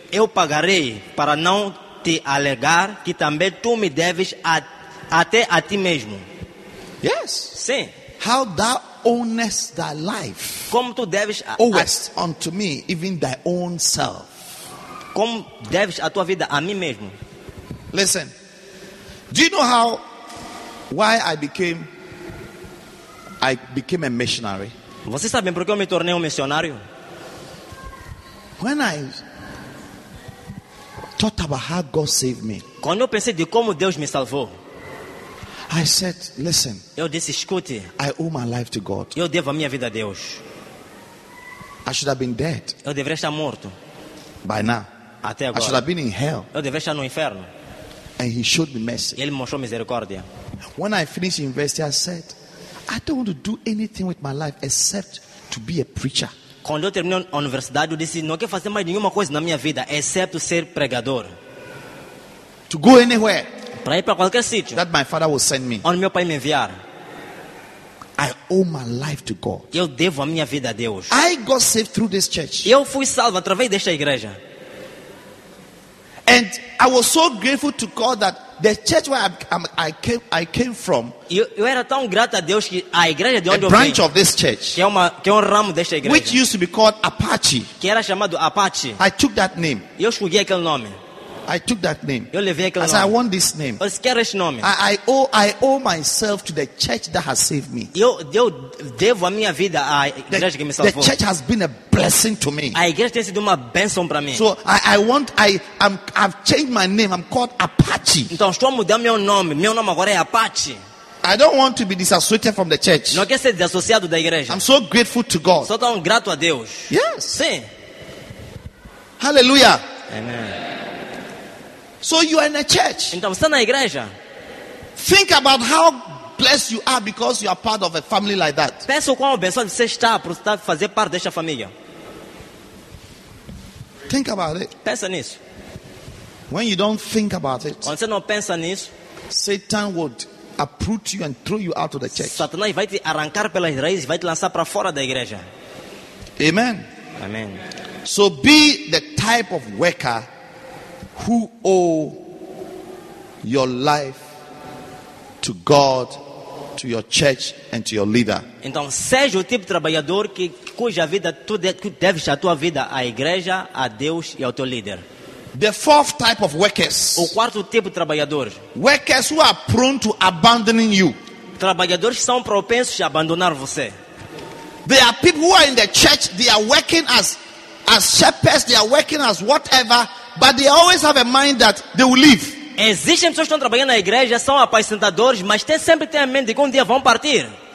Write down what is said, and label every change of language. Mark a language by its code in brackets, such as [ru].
[pt] Eu pagarei para não te alegar que também tu me deves até a ti mesmo. [en] Yes. [pt] Sim. [en] How thou ownest thy life. [pt] Como tu deves [en] owest unto me even thy own self. [pt] Como deves a tua vida a mim mesmo. [en] Listen. Do you know how why I became a missionary? [pt] Você sabe por que eu me tornei missionário? [en] When I thought about how God saved me. [pt] Quando eu pensei de como Deus me salvou. [en] I said, listen. [pt] Eu disse, escute. [en] I owe my life to God. [pt] Eu devo a minha vida a Deus. [en] I should have been dead. [pt] Eu deveria estar morto. [en] By now. [pt] Até agora. [en] I should have been in hell. [pt] Eu deveria estar no inferno. [en] And he showed me mercy. [pt] Ele mostrou misericórdia. [en] When I finished university, I said, I don't want to do anything with my life except to be a preacher. [pt] Quando eu terminei a universidade, eu disse, não quero fazer mais nenhuma coisa na minha vida, exceto ser pregador. [en] To go anywhere. [pt] Para ir para qualquer sítio. [en] That my father will send me. [pt] Onde meu pai me enviar. [en] I owe my life to God. [pt] Eu devo a minha vida a Deus. [en] I got saved through this church. [pt] Eu fui salvo através desta igreja. [en] And I was so grateful to God that the church where I came from. [pt] Eu era tão grato a Deus que a igreja de onde a eu [en] branch [pt] vim, [en] of this church, [pt] que é um ramo desta igreja, [en] which used to be called Apache, [pt] que era chamado Apache. [en] I took that name. [pt] Eu escolhi aquele nome. [en] I took that name. [pt] Eu levei aquele [en] as [pt] nome. [en] I want this name. [pt] Eu quero esse nome. [en] I owe myself to the church that has saved me. [pt] Eu devo a minha vida à igreja que me salvou. [en] The church has been a blessing to me. [pt] A igreja tem sido uma bênção para mim. [en] So I've changed my name. I'm called Apache. [pt] Então estou a mudar meu nome. Meu nome agora é Apache. [en] I don't want to be disassociated from the church. [pt] Não quero ser desassociado da igreja. [en] I'm so grateful to God. [pt] Sou tão grato a Deus. [en] Yes. [pt] Sim. [en] Hallelujah. Amen. So you are in a church. [pt] Então você está na igreja. [en] Think about how blessed you are because you are part of a family like that. [pt] Pensa o quão abençoado você está por estar fazer parte desta família. [en] Think about it. [pt] Pensa nisso. [en] When you don't think about it, [pt] quando você não pensa nisso, [en] Satan would uproot you and throw you out of the church. [pt] Satanás vai te arrancar pelas raízes, vai te lançar para fora da igreja. [en] Amen. [pt] Amen. [en] So be the type of worker who owe your life to God, to your church, and to your leader. [pt] Então seja o tipo de trabalhador que cuja vida tu deves a tua vida à igreja, a Deus e ao teu líder. [en] The fourth type of workers. [pt] O quarto tipo de trabalhadores. [en] Workers who are prone to abandoning you. [pt] Trabalhadores são propensos a abandonar você. [en] There are people who are in the church. They are working as shepherds. They are working as whatever, but they always have a mind that they will leave. [pt] Existem pessoas que estão trabalhando na igreja, são apacentadores, mas sempre têm a mente de que um dia vão partir.